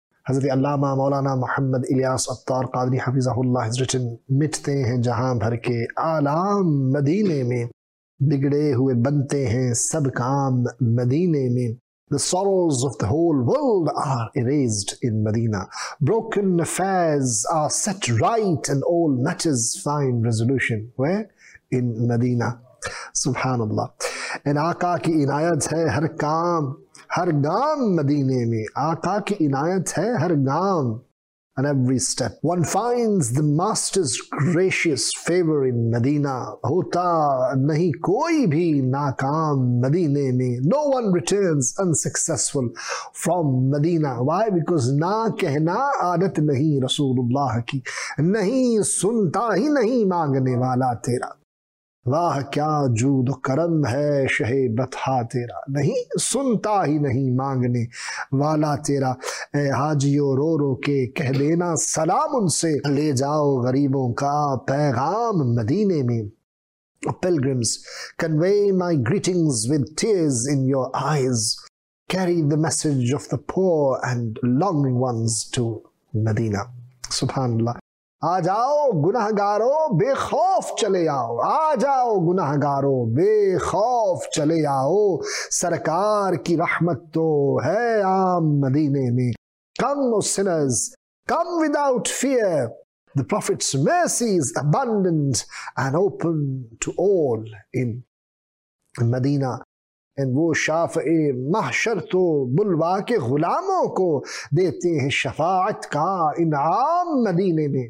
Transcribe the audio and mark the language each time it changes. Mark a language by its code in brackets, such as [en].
[ur] حضرت علامہ مولانا محمد الیاس عطار قادری حفظہ اللہ [en] has written, [ur] مٹتے ہیں جہاں بھر کے آلام مدینے میں, بگڑے ہوئے بنتے ہیں سب کام مدینے میں. [en] The sorrows of the whole world are erased in Medina. Broken affairs are set right and all matters find resolution. Where? In Medina. سبحان اللہ. [ur] ان آقا کی عنایت ہے ہر کام ہر گام مدینے میں, آقا کی عنایت ہے ہر گام. [en] And every step one finds the master's gracious favor in Medina. [ur] ہوتا نہیں کوئی بھی ناکام مدینے میں, [en] no one returns unsuccessful from Medina. Why? [ur] Because نہ کہنا عادت نہیں رسول اللہ کی, نہیں سنتا ہی نہیں مانگنے والا تیرا. واہ کیا جود و کرم ہے شہ بتھا تیرا, نہیں سنتا ہی نہیں مانگنے والا تیرا. اے حاجیو رو رو کے کہہ دینا سلام ان سے, لے جاؤ غریبوں کا پیغام مدینے میں. [en] Pilgrims, convey my greetings with tears in your eyes. Carry the message of the poor and longing ones to Medina. سبحان اللہ. [ur] آ جاؤ گناہگارو بے خوف چلے آؤ, آ جاؤ گناہگارو بے خوف چلے آؤ, سرکار کی رحمت تو ہے عام مدینے میں. [en] Come O sinners, come without fear, the Prophet's mercy is abundant and open to all in Medina. [ur] And وہ شافع محشر تو بلوا کے غلاموں کو دیتے ہیں شفاعت کا انعام مدینے میں.